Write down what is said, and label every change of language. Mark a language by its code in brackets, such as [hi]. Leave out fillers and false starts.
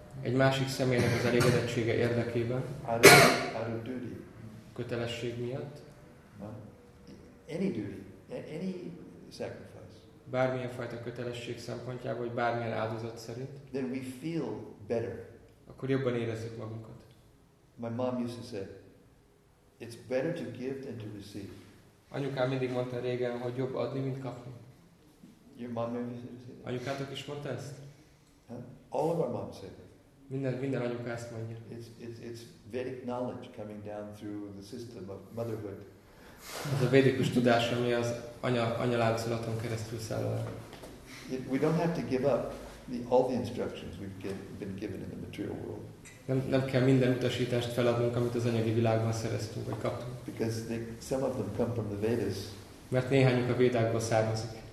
[hu] egy másik személynek az elégedettsége érdekében, [en] out of duty, [hu] kötelesség miatt, [en] any duty, any sacrifice, [hu] bármilyen fajta kötelesség szempontjából, vagy bármilyen áldozat szerint, [en] then we feel better. [hu] Akkor jobban érezzük magunkat. [en] My mom used to say, it's better to give than to receive. [hu] Anyukám mindig mondta régen, hogy jobb adni, mint kapni. [en] Your mom used to say that. [hu] Anyukátok is mondta ezt? [en] Huh? All of our moms say that. [hu] Minden anyukám ezt mondja. [en] It's Vedic knowledge coming down through the system of motherhood. [hu] Ez a védikus tudás, ami az anya láncolaton keresztül száll. [en] We don't have to give up all the instructions we've been given in the material world. [hu] Nem kell minden utasítást feladnunk, amit az anyagi világban szereztünk vagy kaptunk. [en] Because some of them come from the Vedas. [hu] Mert néhányuk a Védákból származik.